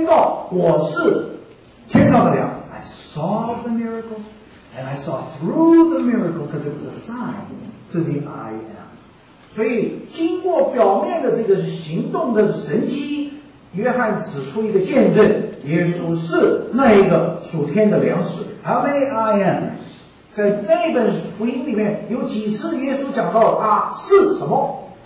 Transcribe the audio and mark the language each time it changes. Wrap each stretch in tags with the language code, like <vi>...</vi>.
<zh>还有透过神迹看见一个见证，耶稣宣告我是天上的粮.</zh> <en>I saw the miracle. And I saw through the miracle because it was a sign to the I am.</en> <zh>所以经过表面的这个行动的神迹，约翰指出一个见证，耶稣是那一个属天的粮食.</zh> <en>How many I ams?</en> <zh>在那本福音里面有几次耶稣讲到他是什么？</zh>